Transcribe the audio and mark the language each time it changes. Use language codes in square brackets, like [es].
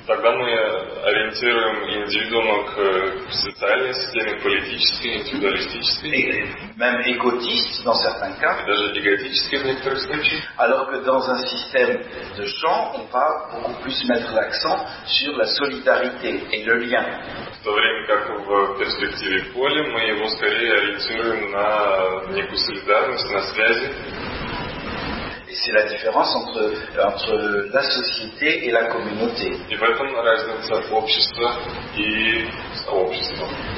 [ru] Тогда мы ориентируем индивидуума к социальной системе, политической, индивидуалистической. [fr] Même égotiste dans certains cas. [ru] Даже эгоистический в некоторых случаях. [fr] Alors que dans un système de genre, on va beaucoup plus mettre l'accent sur la solidarité et le lien. [ru] В то время как в перспективе поля мы его скорее ориентируем на некую солидарность, на связи. [fr] C'est la différence entre la société et la communauté. [ru] И в этом разница общества и сообщества.